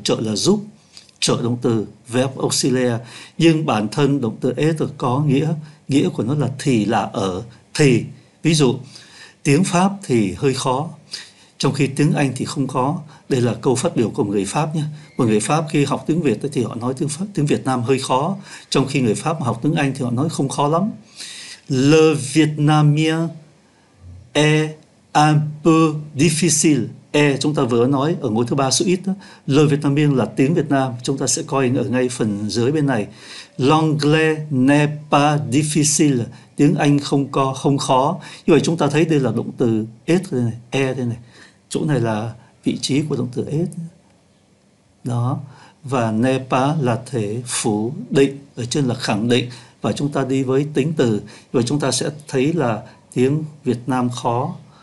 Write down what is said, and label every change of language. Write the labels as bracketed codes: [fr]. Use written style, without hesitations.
[vi] Trợ là giúp, trợ động từ, verb auxiliaire. Nhưng bản thân động từ être có nghĩa của nó là thì, là ở. Thì ví dụ tiếng Pháp thì hơi khó, trong khi tiếng Anh thì không có. Đây là câu phát biểu của một người Pháp nhé. Một người Pháp khi học tiếng Việt thì họ nói tiếng Việt Nam hơi khó, trong khi người Pháp mà học tiếng Anh thì họ nói không khó lắm. [fr] Le vietnamien est un peu difficile. [vi] Chúng ta vừa nói ở ngôi thứ ba số ít đó. [fr] Le vietnamien [vi] là tiếng Việt Nam, chúng ta sẽ coi ở ngay phần dưới bên này. [fr] L'anglais n'est pas difficile. [vi] Tiếng Anh không khó. Như vậy chúng ta thấy đây là động từ être đây này, đây này. Chỗ này là vị trí của động từ être. Đó. Và n'est pas là thể phủ định, ở trên là khẳng định, và chúng ta đi với tính từ. Như vậy chúng ta sẽ thấy là tiếng Việt Nam khó.